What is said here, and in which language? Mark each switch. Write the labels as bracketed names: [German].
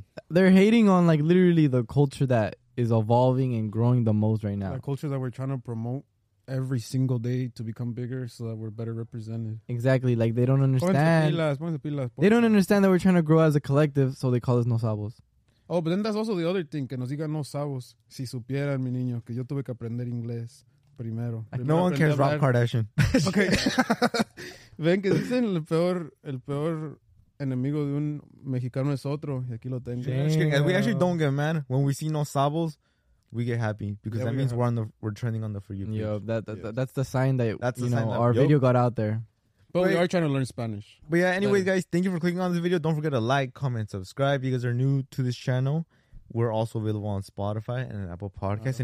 [English] They're hating on, like, literally the culture that is evolving and growing the most right now. The culture that we're trying to promote every single day to become bigger so that we're better represented. Exactly. Like, they don't understand. [Spanish] Ponte pilas. [English] They don't understand that we're trying to grow as a collective, so they call us no sabos. Oh, but then that's also the other thing. [Spanish] Que nos digan no sabos. Si supieran, mi niño, que yo tuve que aprender inglés primero. [English] No one cares about Rob Kardashian. Okay. [Spanish] Ven que dicen el peor enemigo de un mexicano es otro. Y aquí lo tengo. [English] Yeah. We actually don't get mad. When we see no sabos, we get happy. Because yeah, that means we're trending on the For You page. Yeah, that's the sign that video got out there. But we are trying to learn Spanish. But yeah, anyway, guys, thank you for clicking on this video. Don't forget to like, comment, subscribe. If you guys are new to this channel, we're also available on Spotify and Apple Podcasts.